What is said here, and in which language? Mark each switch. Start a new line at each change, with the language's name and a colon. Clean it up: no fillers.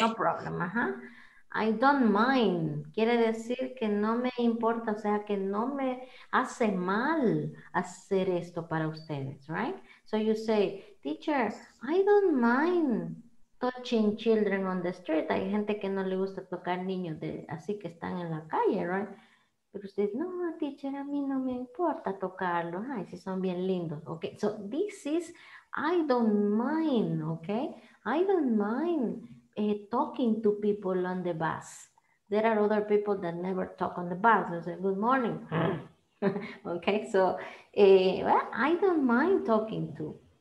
English: No problem,
Spanish: ajá. Uh-huh.
English: I don't mind,
Spanish: quiere decir que no me importa, o sea, que no me hace mal hacer esto para ustedes, right?
English: So you say, teacher, I don't mind touching children on the street.
Spanish: Hay gente que no le gusta tocar niños de, así que están en la calle, right? Pero usted, no, teacher, a mí no me importa tocarlos. Ay, si son bien lindos.
English: Okay, so this is I don't mind, okay? I don't mind talking to people on the bus. There are other people that never talk on the bus. I say, good morning. Okay, so I don't mind talking to.